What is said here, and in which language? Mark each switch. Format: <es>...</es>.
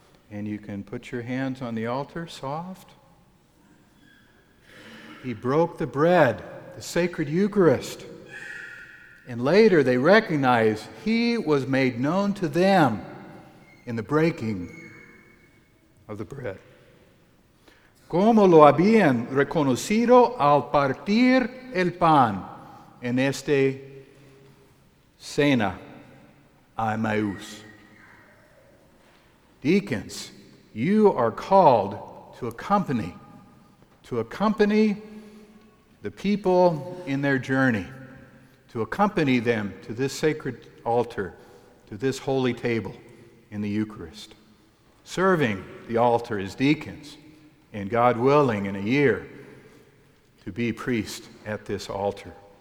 <en>And you can put your hands on the altar, soft. He broke the bread, the sacred Eucharist. And later they recognized he was made known to them in the breaking of the bread.</en> <es>Como lo habían reconocido al partir el pan en esta cena a Emmaus.</es> <en>Deacons, you are called to accompany the people in their journey, to accompany them to this sacred altar, to this holy table in the Eucharist, serving the altar as deacons, and God willing, in a year, to be priest at this altar.</en>